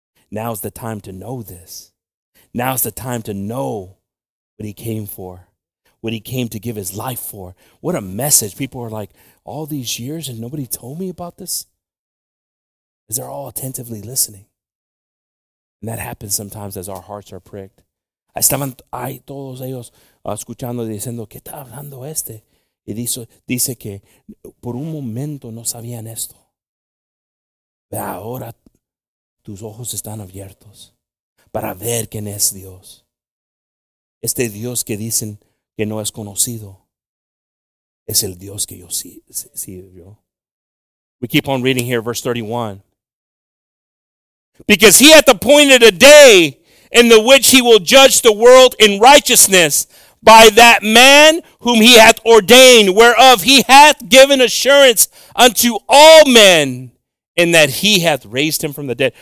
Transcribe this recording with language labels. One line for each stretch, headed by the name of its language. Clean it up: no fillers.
English: Now's the time to know this. Now's the time to know what he came for, what he came to give his life for. What a message. People are like, all these years and nobody told me about this? Because they're all attentively listening. And that happens sometimes as our hearts are pricked.
Spanish: Estaban ahí todos ellos escuchando y diciendo, ¿qué está hablando este? Y dice que por un momento no sabían esto. Pero ahora tus ojos están abiertos para ver quién es Dios. Este Dios que dicen que no es conocido es el Dios que yo sirvo.
English: We keep on reading here, verse 31. Because he hath appointed a day in the which he will judge the world in righteousness by that man whom he hath ordained, whereof he hath given assurance unto all men, and that he hath raised him from the dead.